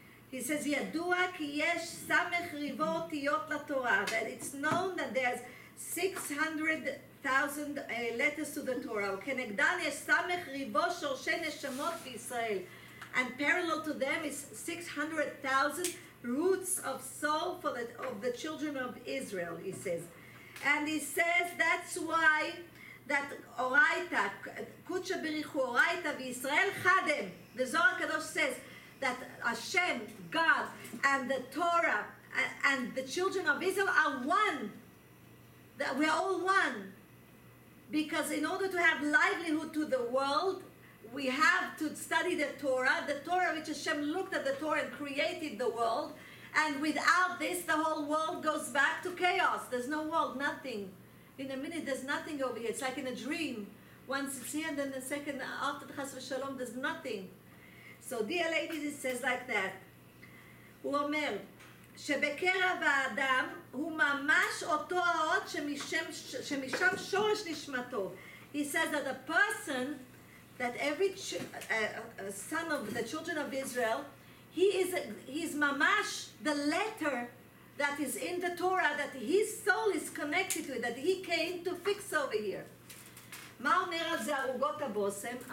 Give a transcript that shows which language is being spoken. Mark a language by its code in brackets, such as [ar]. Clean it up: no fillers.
[en] He says, [he] ידוע כי יש סמך ריבו אותיות לתורה. [en] That it's known that there's 600,000 letters to the Torah. [he] וכנגדן יש סמך ריבו שורשי נשמות בישראל. [en] And parallel to them is 600,000 roots of soul of the children of Israel, he says. And he says, that's why that Oraita, Kutcha Birichu, Oraita, V'Yisrael Chadem, the Zohar Kadosh says that Hashem, God, and the Torah, and the children of Israel are one. That we are all one. Because in order to have livelihood to the world, we have to study the Torah which Hashem looked at the Torah and created the world. And without this, the whole world goes back to chaos. There's no world, nothing. In a minute, there's nothing over here. It's like in a dream. Once it's here, and then the second, after the Chas V'Shalom, there's nothing. So, dear ladies, it says like that. [he] הוא אומר, שבקרב האדם הוא ממש אותו האות שמשם שורש נשמתו. [en] He says that a person, that every son of the children of Israel, he's ממש the letter that is in the Torah, that his soul is connected to it, that he came to fix over here. [he] מה אומר על זה ארוגות הבושם?